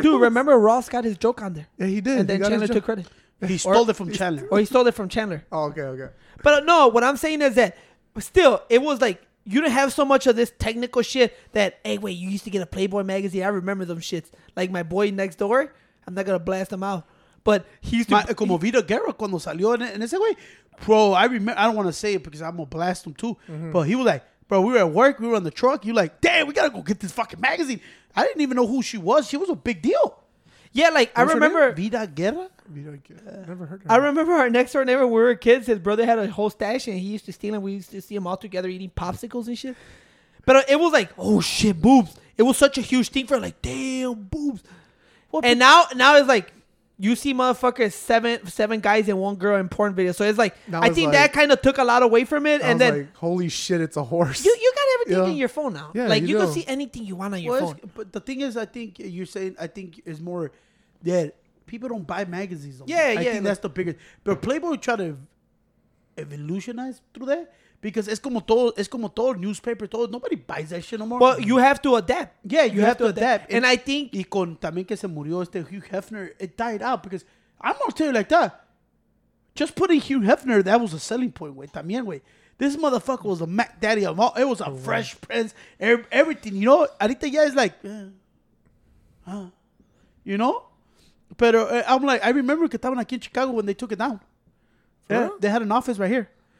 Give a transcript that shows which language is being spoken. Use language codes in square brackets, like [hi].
[en] Dude, remember Ross got his joke on there? Yeah, he did. And then Chandler took credit. He stole it from Chandler. Or he stole it from Chandler. Oh, okay. But no, what I'm saying is that still, it was like you didn't have so much of this technical shit. That hey, wait, you used to get a Playboy magazine? I remember them shits. Like my boy next door. I'm not gonna blast him out. But he's [es] como Vida Guerra cuando salió en ese güey, bro. [en] I remember. I don't want to say it because I'm gonna blast him too. Mm-hmm. But he was like. Bro, we were at work. We were on the truck. You're like, damn, we got to go get this fucking magazine. I didn't even know who she was. She was a big deal. Yeah, like, what I remember. Vida Guerra? Vida Guerra. Never heard of her. I remember our next door neighbor, when we were kids, his brother had a whole stash, and he used to steal, and we used to see him all together eating popsicles and shit. But it was like, oh, shit, boobs. It was such a huge thing for, like, damn, boobs. Now it's like, you see motherfuckers, seven guys and one girl in porn videos. So it's like, I think like, that kind of took a lot away from it. And then, like, holy shit, it's a horse. You got everything yeah. in your phone now. Yeah, like, you can see anything you want on your phone. But the thing is, I think you're saying, I think it's more that people don't buy magazines. Yeah. I think that's the biggest. But Playboy tried to evolutionize through that. Because it's como todo newspaper, todo. Nobody buys that shit no more. But you have to adapt. Yeah, you have to adapt. And I think... [es] Y con también que se murió este Hugh Hefner, it died out. [en] Because I'm going to tell you like that. Just putting Hugh Hefner, that was a selling point, güey. También, güey. This motherfucker was a Mac Daddy of all. It was a Fresh Prince. Everything, you know? Ahorita ya es like... You know? Pero I'm like, I remember que estaban aquí en Chicago when they took it down. They had an office right here.